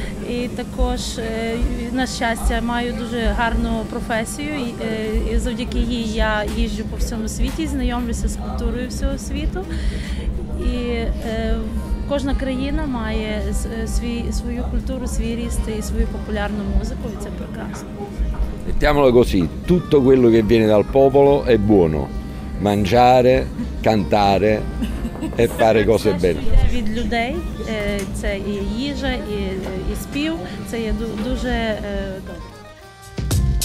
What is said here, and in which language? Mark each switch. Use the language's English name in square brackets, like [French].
[Ukrainian] І також, на щастя, маю дуже гарну професію, і завдяки їй я їжджу по всьому світі, знайомлюся з культурою всього світу. І кожна країна має свою культуру, свій ріст і свою популярну музику, і це прекрасно. [Italian] Mettiamolo così, tutto quello che viene dal popolo è buono. Mangiare, cantare e fare cose belle. [Ukrainian] Це від людей, це і їжа, і спів, це є дуже добре.